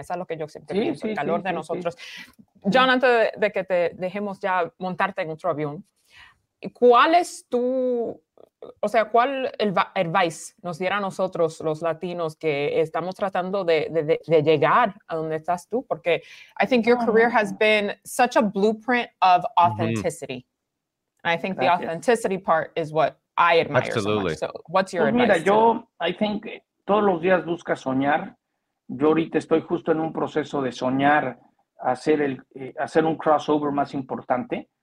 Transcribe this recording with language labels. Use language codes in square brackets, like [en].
[es] Eso es lo que yo siempre sí, pienso, sí, el calor sí, de sí, nosotros. Sí. John, antes de que te dejemos ya montarte en otro avión, ¿cuál es tu, o sea, cuál advice nos diera a nosotros los latinos que estamos tratando de llegar a donde estás tú? Porque [en] I think your career has been such a blueprint of authenticity. Mm-hmm. I think the authenticity part is what I admire. Absolutely. So what's your advice? [es] Mira, [en] I think [es] todos los días busca soñar. Yo ahorita estoy justo en un proceso de soñar hacer un crossover más importante.